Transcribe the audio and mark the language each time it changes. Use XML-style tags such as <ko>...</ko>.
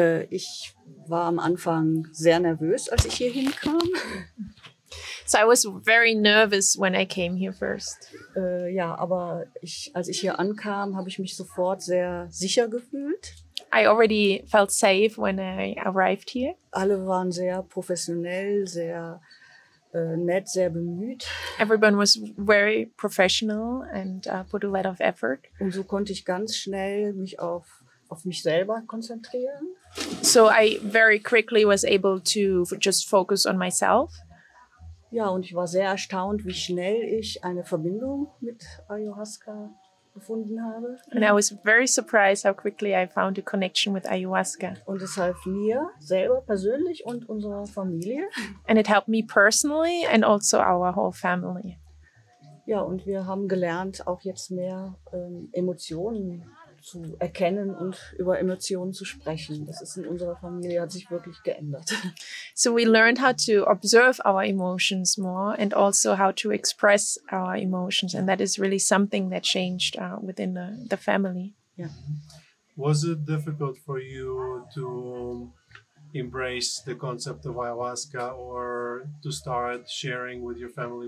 <de>Ich war am Anfang sehr nervös, als ich hier hinkam.</de> <en>So I was very nervous when I came here first.</en> <de>Ja, aber ich, als ich hier ankam, habe ich mich sofort sehr sicher gefühlt.</de> <en>I already felt safe when I arrived here.</en> <de>Alle waren sehr professionell, sehr nett, sehr bemüht.</de> <en>Everyone was very professional and put a lot of effort.</en> <de>Und so konnte ich ganz schnell mich auf mich selber konzentrieren.</de> <en>So I very quickly was able to just focus on myself.</en> <de>Ja, und ich war sehr erstaunt, wie schnell ich eine Verbindung mit Ayahuasca gefunden habe.</de> <en>And I was very surprised how quickly I found a connection with Ayahuasca.</en> <de>Und es half mir selber persönlich und unserer Familie.</de> <en>And it helped me personally and also our whole family.</en> <de>Ja, und wir haben gelernt, auch jetzt mehr Emotionen zu erkennen und über Emotionen zu sprechen. Das ist in unserer Familie, hat sich wirklich geändert.</de> <en>So we learned how to observe our emotions more and also how to express our emotions. And that is really something that changed within the family. Yeah. Was it difficult for you to embrace the concept of ayahuasca or to start sharing with your family?</en>